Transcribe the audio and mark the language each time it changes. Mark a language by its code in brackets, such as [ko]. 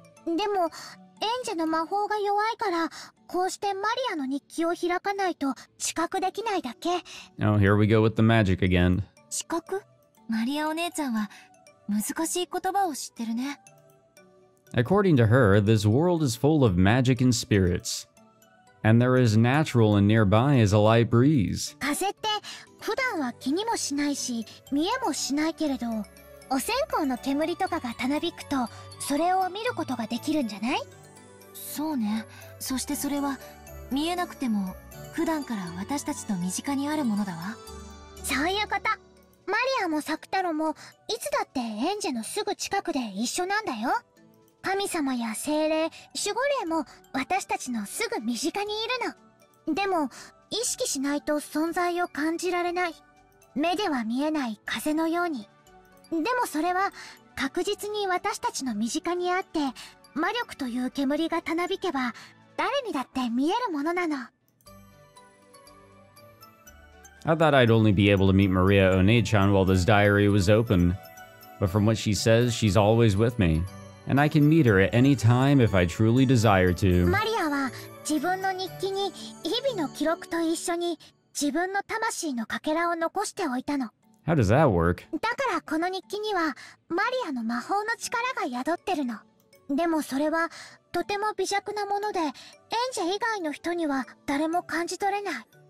[ja] マリアもサクタロもエンジェの身近なお友達だよ。いつもマリアたちはエンジェのすぐそばにいる。でもエンジェの魔法が弱いから [en] Oh, here we go with the magic again. According to her, this world is full of magic and spirits. And there is natural and nearby as a light breeze. [ja] 風って普段は気にもしないし、見えもしないけれど、お線香の煙とかがたなびくと、それを見ることができるんじゃない? そうね。そしてそれは見えなくても普段から私たちの身近にあるものだわ。そういうこと。マリアもサクタロもいつだってエンジェのすぐ近くで一緒なんだよ。神様や精霊、守護霊も私たちのすぐ身近にいるの。でも意識しないと存在を感じられない。目では見えない風のように。でもそれは確実に私たちの身近にあって、魔力という煙がたなびけば誰にだって見えるものなの。 [en] I thought I'd only be able to meet Maria Onei-chan while this diary was open, but from what she says, she's always with me, and I can meet her at any time if I truly desire to. [ja] マリアは自分の日記に日々の記録と一緒に自分の魂のかけらを残しておいたの。 [en] How does that work? [ja] だからこの日記にはマリアの魔法の力が宿ってるの。でもそれはとても微弱なもので、エンジェ以外の人には誰も感じ取れない。